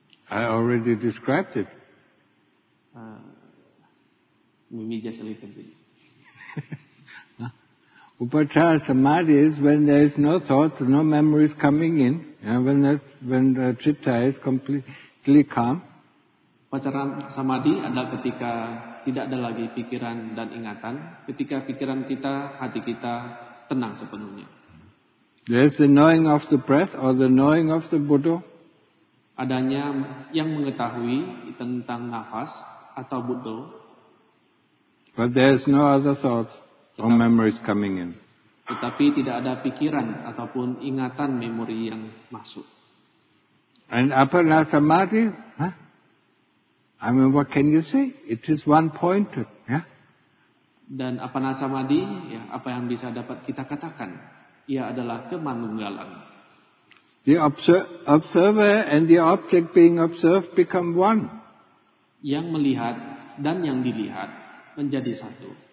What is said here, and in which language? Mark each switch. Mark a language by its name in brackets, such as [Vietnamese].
[English] I already described it. Maybe just a little bit. Upacara Samadhi is when there is no thoughts, no memories coming in, and when the citta is completely calm. [Indonesian] Upacara Samadhi adalah ketika tidak ada lagi pikiran dan ingatan, ketika pikiran kita, hati kita tenang sepenuhnya. [English] There is the knowing of the breath or the knowing of the Buddha. [Indonesian] Adanya yang mengetahui tentang nafas atau Buddha. [English] But there is no other thoughts. Or memories coming in. [Indonesian] Tetapi tidak ada pikiran ataupun ingatan memori yang masuk. [English] And apana samadhi? Huh? I mean, what can you say? It is one pointed, yeah? [Indonesian] Dan apana samadhi? Ya, apa yang bisa dapat kita katakan? Ia adalah kemanunggalan. [English] The observer and the object being observed become one. [Indonesian] Yang melihat dan yang dilihat menjadi satu.